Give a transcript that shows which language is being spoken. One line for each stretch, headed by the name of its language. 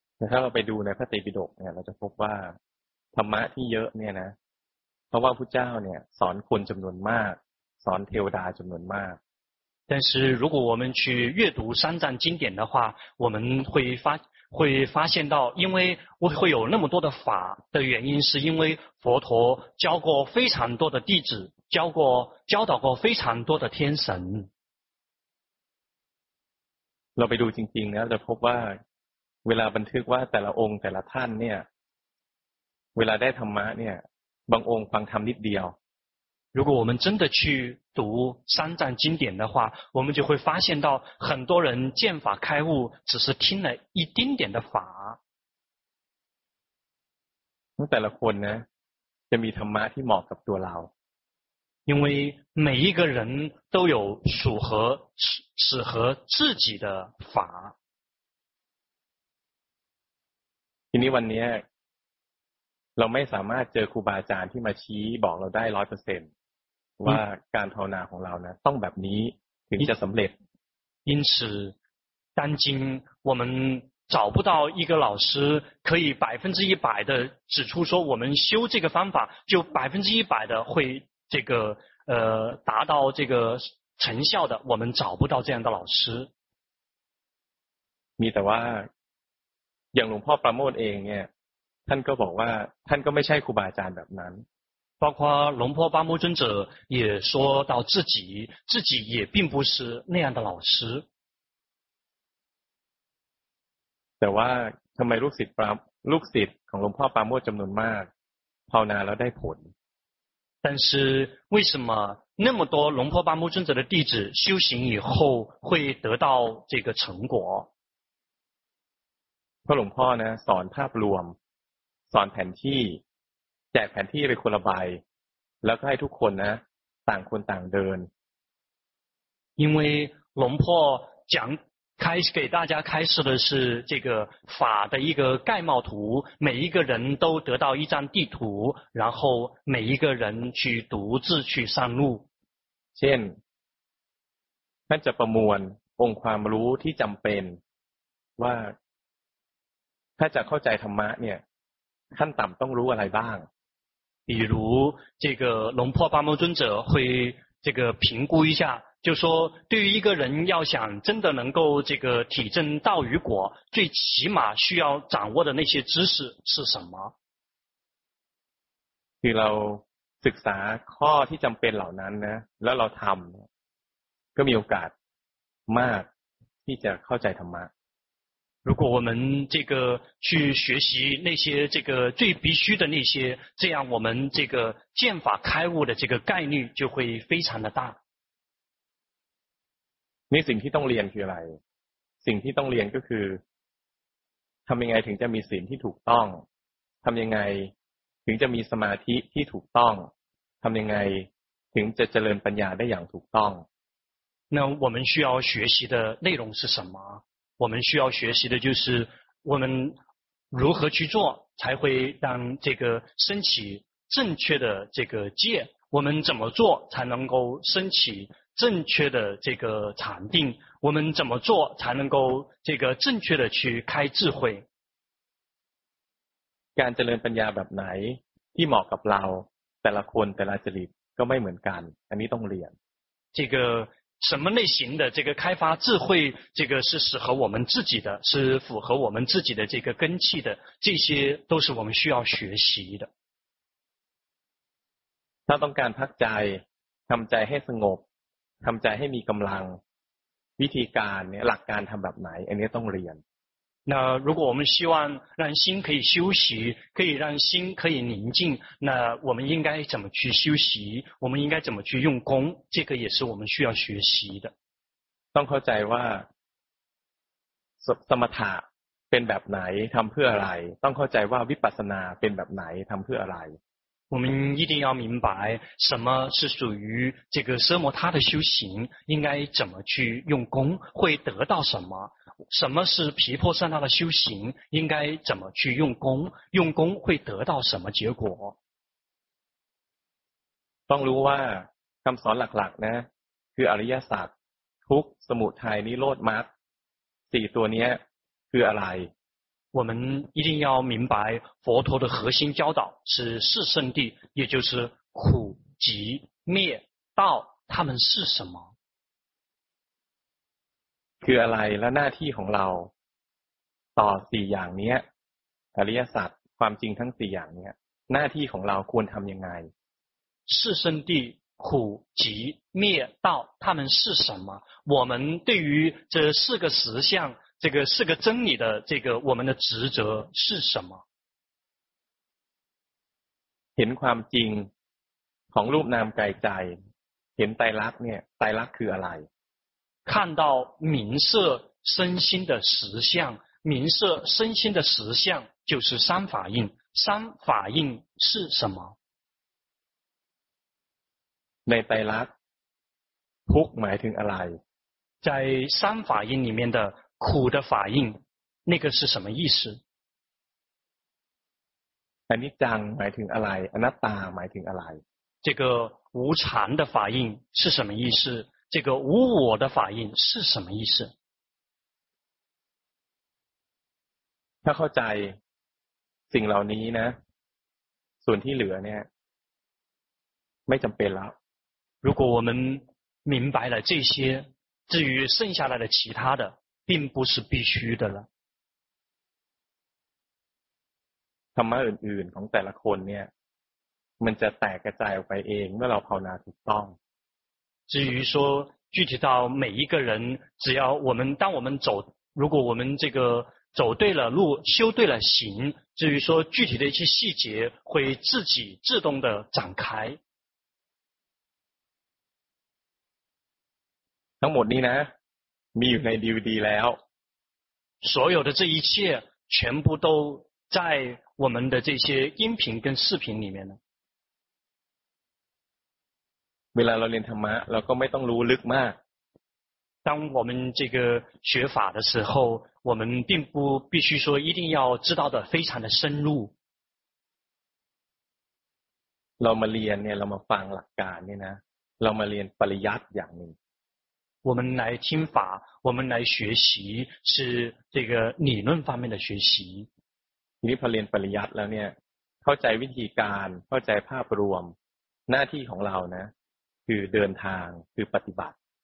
Thai: ถ้าเราไปดูในพระไตรปิฎกเนี่ยเราจะพบว่าธรรมะที่เยอะเนี่ยนะเพราะว่าพุทธเจ้าเนี่ยสอนคนจำนวนมากสอนเทวดาจำนวนมาก
Chinese: 但是如果我们去阅读三藏经典的话我们会发现到因为会有那么多的法的原因是因为佛陀教过非常多的弟子教导过非常多的天神
Thai: เราไปดูจริงๆแล้วจะพบว่าเวลาบันทึกว่าแต่ละองค์แต่ละท่านเนี่ยเวลาได้ธรรมะเนี่ยบางองค์ฟังธรรมนิดเดียว
Chinese: 如果我们真的去读三藏经典的话我们就会发现到很多人见法开悟只是听了一丁点的法
Thai: แต่ละคนนะจะมีธรรมะที่เหมาะกับตัวเรา
Chinese: 因为每一个人都有适合自己的法
Thai: ทีนี้วันนี้เราไม่สามารถเจอครูบาอาจารย์ที่มาชี้บอกเราได้ 100%ว่าการภาวนาของเรานะต้องแบบนี้ถึงจะสำเร็จ
Chinese: 因此当今我们找不到一个老师可以100%的指出说我们修这个方法就100%的会这个达到这个成效的我们找不到这样的老师
Thai: มีแต่ว่าอย่างหลวงพ่อประโมทเองเนี่ยท่านก็บอกว่าท่านก็ไม่ใช่ครูบาอาจารย์แบบนั้น
Chinese: 包括龙婆巴木尊者也说到自己也并不是那样的老师。
Thai: แต่ว่าทำไมลูกศิษย์ของหลวงพ่อปาโมทจำนวนมากภาวนาแล้วได้ผล？
Chinese: 但是为什么那么多龙婆巴木尊者的弟子修行以后会得到这个成果？
Thai: เพราะหลวงพ่อนะสอนภาพรวมสอนแผนที่แจกแผนที่ไปคนละใบแล้วก็ให้ทุกคนนะต่างคนต่างเดิน
Chinese: 因为龙婆讲开始给大家开始的是这个法的一个概貌图每一个人都得到一张地图然后每一个人去独自去上路
Thai: เช่นท่านจะประมวลองค์ความรู้ที่จำเป็นว่าถ้าจะเข้าใจธรรมะเนี่ยขั้นต่ำต้องรู้อะไรบ้าง
Chinese: 比如这个龙婆巴木尊者会这个评估一下就说对于一个人要想真的能够这个体证道与果最起码需要掌握的那些知识是什么
Thai: คือเราศึกษาข้อที่จำเป็นเหล่านั้นนะแล้วเราทำก็มีโอกาสมากที่จะเข้าใจธรรมะ
Chinese: 如果我们这个去学习那些这个最必须的那些，这样我们这个见法开悟的这个概率就会非常的大。
Thai: 你สิ่งที่ต้องเรียนคืออะไร？ สิ่งที่ต้องเรียนก็คือทำยังไงถึงจะมีศีลที่ถูกต้องทำยังไงถึงจะมีสมาธิที่ถูกต้องทำยังไงถึงจะเจริญปัญญาได้อย่างถูกต้อง
Chinese: 那我们需要学习的内容是什么？我们需要学习的就是我们如何去做才会让这个升起正确的这个戒，我们怎么做才能够升起正确的这个禅定，我们怎么做才能够这个正确的去开智慧。
Thai: การเจริญปัญญาแบบไหนที่เหมาะกับเราแต่ละคนแต่ละจริตก็ไม่เหมือนกันอันนี้ต้องเรียน
Chinese: 这个什么类型的这个开发智慧，这个是适合我们自己的，是符合我们自己的这个根气的，这些都是我们需要学习的。
Thai: ถ้าต้องการพักใจทำใจให้สงบทำใจให้มีกำลังวิธีการเนี่ยหลักการทำแบบไหนอันนี้ต้องเรียน
Chinese: 那如果我们希望让心可以休息，可以让心可以宁静，那我们应该怎么去休息？我们应该怎么去用功？这个也是我们需要学习的。
Thai: ต้องเข้าใจว่าสมถะเป็นแบบไหนทำเพื่ออะไรต้องเข้าใจว่าวิปัสสนาเป็นแบบไหนทำเพื่ออะไร
Chinese: 我们一定要明白什么是属于这个奢摩他的修行，应该怎么去用功，会得到什么？什么是毗婆舍那的修行，应该怎么去用功？用功会得到什么结果？
Thai: ต้องรู้ว่าคำสอนหลักๆนะคืออริยสัจทุกข์สมุทัยนิโรธมรรคสี่ตัวนี้คืออะไร
Chinese: 我们一定要明白佛陀的核心教导是四圣谛，也就是苦、集、灭、道，他们是什么？
Thai: คืออะไรและหน้าที่ของเราต่อสี่อย่างนี้อริยสัจความจริงทั้งสี่อย่างนี้หน้าที่ของเราควรทำยังไง？
Chinese: 四圣谛苦、集、灭、道，他们是什么？我们对于这四个实相。这个四个真理的这个我们的职责是什么？
Thai: เห็นความจริงของรูปนามกายใจเห็นไตรลักษณ์เนี่ยไตรลักษณ์คืออะไร？
Chinese: 看到名色身心的实相，名色身心的实相就是三法印，三法印是什么？
Thai: ในไตรลักษณ์ทุกหมายถึงอะไร？
Chinese: 在三法印里面的苦的法印，那个是什么意思？
Thai: อันนี้จังหมายถึงอะไร？อนัตตาหมายถึงอะไร？
Chinese: 这个无常的法印是什么意思？这个无我的法印是什么意思？
Thai: ถ้าเข้าใจสิ่งเหล่านี้นะส่วนที่เหลือเนี่ยไม่จำเป็นแล้ว
Chinese: 如果我们明白了这些，至于剩下来的其他的并不是必须的了。
Thai: ธรรมะอื่นๆของแต่ละคนเนี่ยมันจะแตกกระจายออกไปเองเมื่อเราภาวนาถูกต้อง
Chinese: 至于说具体到每一个人只要我们当我们走如果我们这个走对了路修对了行至于说具体的一些细节会自己自动的展开
Thai: ทั้งหมดนี้นะมีอยู่ใน DVD แล้ว
Chinese: 所有的这一切全部都在我们的这些音频跟视频里面
Thai: เวลาเราเรียนธรรมะเราก็ไม่ต้องรู้ลึกมาก
Chinese: 当我们这个学法的时候我们并不必须说一定要知道的非常的深入
Thai: เรามาเรียนเนี่ยเรามาฟังหลักการเนี่ยนะเรามาเรียนปริยัติอย่างหนึ่ง วันนี้ที่ฟังวันนี้
Chinese: 学习是这个理论方面的学习
Thai: ทีนี้พอเรียนปริยัติแล้วเนี่ยเข้าใจวิธีการเข้าใจภาพรวมหน้าที่ของเรานะคือเดินทางคือปฏิบัติ